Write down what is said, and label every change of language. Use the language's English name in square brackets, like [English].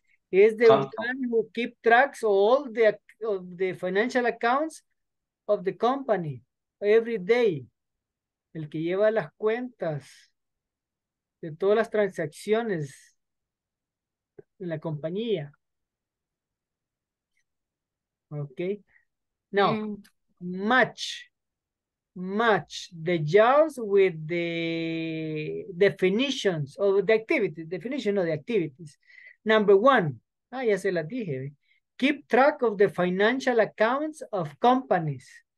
[English] It's the one who keep tracks all the of the financial accounts of the company every day. [Spanish] El que lleva las cuentas de todas las transacciones en la compañía. [English] Okay. Now, match the jobs with the definitions of the activities. Definition of the activities. Number one. [Spanish] Ah, ya se las dije. [English] Keep track of the financial accounts of companies.